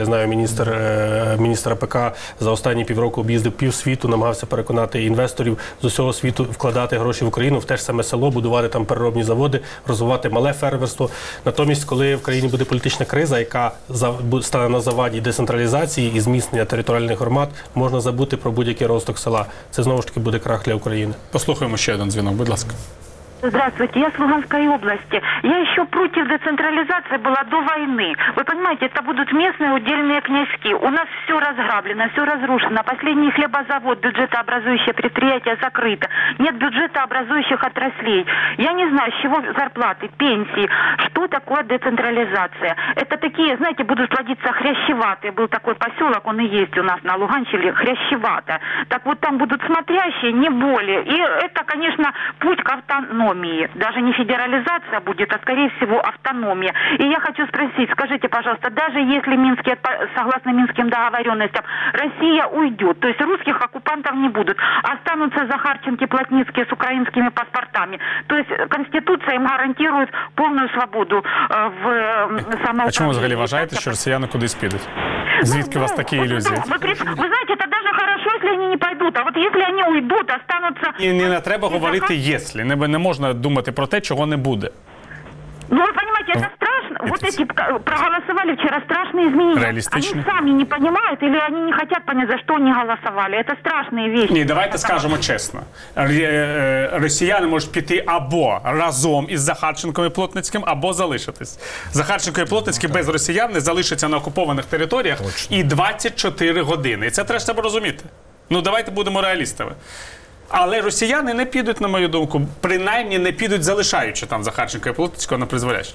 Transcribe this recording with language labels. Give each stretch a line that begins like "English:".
Ukrainian: Я знаю, міністр АПК за останні півроку об'їздив пів світу, намагався переконати інвесторів з усього світу вкладати гроші в Україну, в те ж саме село, будувати там переробні заводи, розвивати мале фермерство. Натомість, коли в країні буде політична криза, яка стане на заваді децентралізації і зміцнення територіальних громад, можна забути про будь-який розвиток села. Це, знову ж таки, буде крах для України. Послухаємо ще один дзвінок, будь ласка.
Russian: Здравствуйте, я с Луганской области. Я еще против децентрализации была до войны. Вы понимаете, это будут местные удельные князьки. У нас все разграблено, все разрушено. Последний хлебозавод, бюджетообразующее предприятие закрыто. Нет бюджетообразующих отраслей. Я не знаю, с чего зарплаты, пенсии. Что такое децентрализация? Это такие, знаете, будут плодиться хрящеватые. Был такой поселок, он и есть у нас на Луганщине, хрящевато. Так вот там будут смотрящие, не более. И это, конечно, путь к автономии. Даже не федерализация будет, а, скорее всего, автономия. И я хочу спросить, скажите, пожалуйста, даже если Минске, согласно Минским договоренностям, Россия уйдет, то есть русских оккупантов не будут, останутся Захарченко, Плотницкие с украинскими паспортами, то есть Конституция им гарантирует полную свободу в самоуправлении. А чему вы
Ukrainian: взагалі вважаете,
Russian: что россияне куда-то спидут?
Ukrainian: Звідки
Russian: у вас такие иллюзии? Вы знаете, это даже хорошо, если они не пойдут, а вот если они уйдут, останутся...
Ukrainian: Не на треба говорити «если», не можна думати про те, чого не буде. Ну, ви розумієте, це страшно.
Russian: Вот эти проголосовали вчера, страшные изменения.
Ukrainian: Реалістично.
Russian: Они сами не понимают или они не хотят понять, за что они голосовали. Это страшные вещи.
Ukrainian: Ні, давайте скажемо чесно. Росіяни можуть піти або разом із Захарченком і Плотницьким, або залишитись. Захарченко і Плотницький без росіян не залишаться на окупованих територіях і 24 години. І це треба розуміти. Ну, давайте будемо реалістами. Але росіяни не підуть, на мою думку, принаймні не підуть, залишаючи там Захарченка і Плотницького на призволяще.